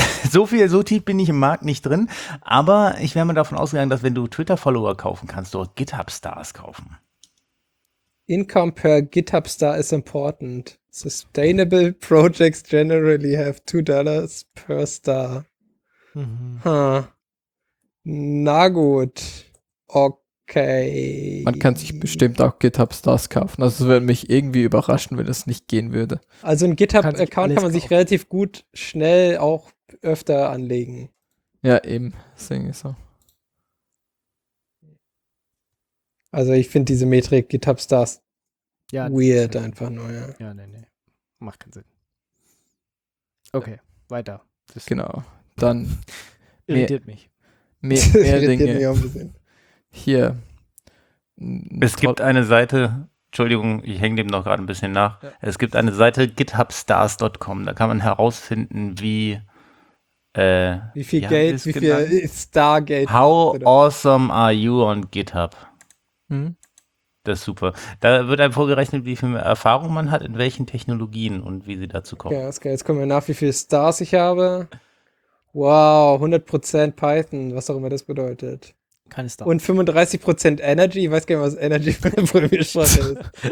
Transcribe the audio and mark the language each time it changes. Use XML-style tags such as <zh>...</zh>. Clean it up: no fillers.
<de>So tief bin ich im Markt nicht drin, aber ich wäre mal davon ausgegangen, dass wenn du Twitter-Follower kaufen kannst, du auch GitHub-Stars kaufen.</de> <en>Income per GitHub-Star is important. Sustainable projects generally have $2 per star.</en> <de>Na gut. Okay. Man kann sich bestimmt auch GitHub Stars kaufen. Also es würde mich irgendwie überraschen, wenn das nicht gehen würde. Also ein GitHub-Account kann man sich relativ gut schnell auch öfter anlegen. Ja, eben. Deswegen ist so. Also ich finde diese Metrik GitHub Stars ja, weird einfach nur. Ja. Ja, nee, nee. Macht keinen Sinn. Okay, ja. Weiter. Das genau. Dann irritiert mich. Mehr Dinge. Mich auch ein bisschen. Hier. Es gibt eine Seite, Entschuldigung, ich hänge dem noch gerade ein bisschen nach. Ja. Es gibt eine Seite githubstars.com, da kann man herausfinden, wie viel Stargeld.</de> <en>How awesome are you on GitHub?</en> <de>Hm? Das ist super. Da wird einem vorgerechnet, wie viel Erfahrung man hat, in welchen Technologien und wie sie dazu kommen. Ja, okay, ist geil. Jetzt kommen wir nach, wie viele Stars ich habe. Wow, 100% Python, was auch immer das bedeutet. Keine Stars. Und 35% Energy. Ich weiß gar nicht, was Energy für eine Programmierschreibung ist.</de>